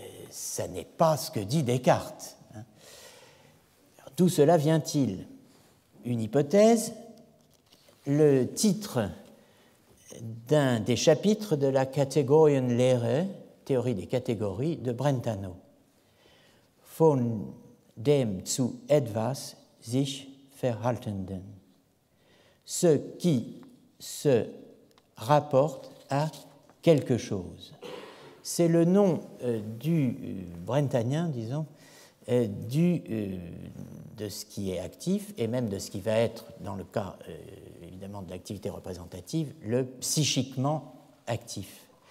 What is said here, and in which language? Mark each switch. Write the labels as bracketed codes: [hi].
[fr] Ça n'est pas ce que dit Descartes. Alors, d'où cela vient-il? Une hypothèse, le titre d'un des chapitres de la Kategorienlehre, théorie des catégories, de Brentano. [de] Von dem zu etwas sich verhaltenden. [fr] Ce qui se rapporte à quelque chose. C'est le nom du brentanien, disons, de ce qui est actif et même de ce qui va être, dans le cas évidemment de l'activité représentative, le psychiquement actif.